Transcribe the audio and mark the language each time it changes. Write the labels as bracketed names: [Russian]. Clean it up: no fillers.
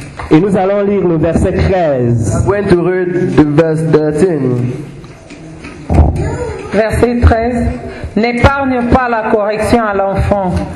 [French] Et nous allons lire le verset 13. [English] I'm going to read the verse 13. [French] Verset 13. N'épargne pas la correction à l'enfant.